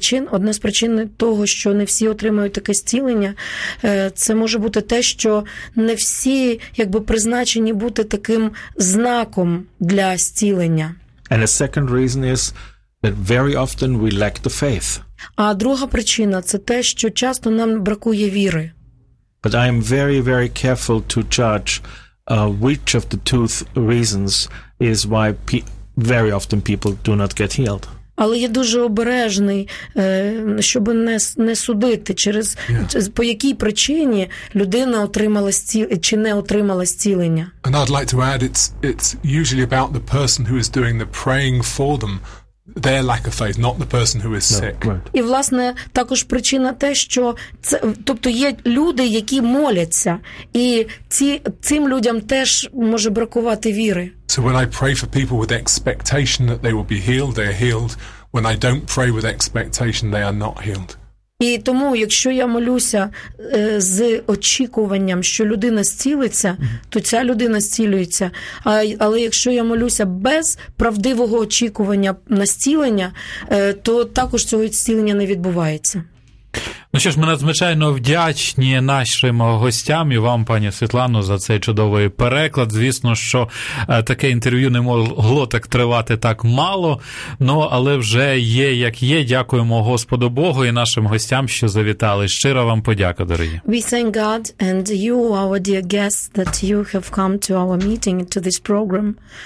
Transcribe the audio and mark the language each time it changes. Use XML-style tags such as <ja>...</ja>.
<uk>Одна з причин того, що не всі отримають таке зцілення, це може бути те, що не всі якби призначені бути таким знаком для зцілення.</uk> <en>And a second reason is that very often we lack the faith.</en> <uk>А друга причина це те, що часто нам бракує віри.</uk> <en>But I am very, very careful to judge which of the two reasons is why very often people do not get healed.</en> <uk>Але я дуже обережний, щоб не судити, через по якій причині людина отримала чи не отримала зцілення.</uk> <en>And I'd like to add, it's usually about the person who is doing the praying for them, their lack of faith, not the person who is sick. Right.</en> <uk>І, власне, також причина те, що це, тобто є люди, які моляться, і цим людям теж може бракувати віри.</uk> <en>So when I pray for people with expectation that they will be healed, they are healed. When I don't pray with expectation, they are not healed.</en> <uk>І тому, якщо я молюся з очікуванням, що людина зцілиться, то ця людина зцілюється. Але якщо я молюся без правдивого очікування на зцілення, то також цього зцілення не відбувається. Ну що ж, ми надзвичайно вдячні нашим гостям і вам, пані Світлано, за цей чудовий переклад. Звісно, що таке інтерв'ю не могло так тривати так мало, але вже є як є. Дякуємо Господу Богу і нашим гостям, що завітали. Щиро вам подяка, дорогі.</uk> <en>We thank God and you, our dear guests, that you have come to our meeting, to this program.</en>